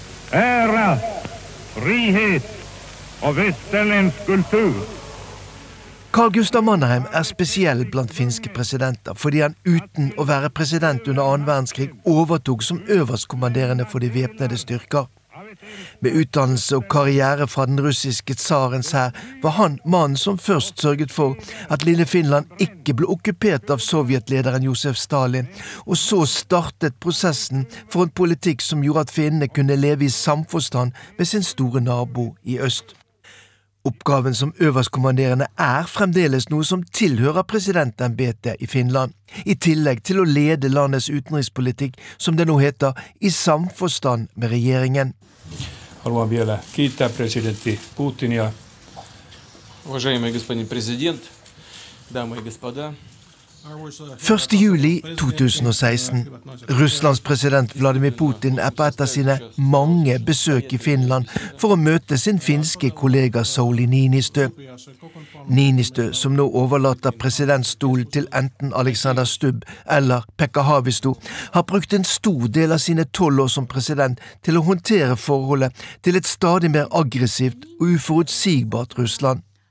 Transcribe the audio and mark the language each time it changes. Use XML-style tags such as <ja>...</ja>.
<sv>Ära, frihet och västerländsk kultur. Carl Gustav Mannerheim är speciell bland finska presidenter fordi han utan att vara president under andra världskrig övertog som överstkommanderande för de väpnade styrkor.</sv> <no>Med utdannelse og karriere fra den russiske tsarens her var han mannen som først sørget for at lille Finland ikke ble okkupert av sovjetlederen Josef Stalin, og så startet prosessen for en politikk som gjorde at finnene kunne leve i samforstand med sin store nabo i øst. Oppgaven som øverstkommanderende er fremdeles noe som tilhører presidentembetet i Finland, i tillegg til å lede landets utenrikspolitikk, som det nå heter, i samforstand med regjeringen.</no> <fi>Haluan vielä kiittää presidentti Putinia.</fi> <ru>Уважаемый господин президент, дамы и господа,</ru> <no>1. juli 2016. Russlands president Vladimir Putin er på et av sine mange besøk i Finland for å møte sin finske kollega Sauli Niinistö. Niinistö, som nå overlater presidentstolen til enten Alexander Stubb eller Pekka Haavisto, har brukt en stor del av sine 12 år som president til å håndtere forholdet til et stadig mer aggressivt og uforutsigbart Russland.</no>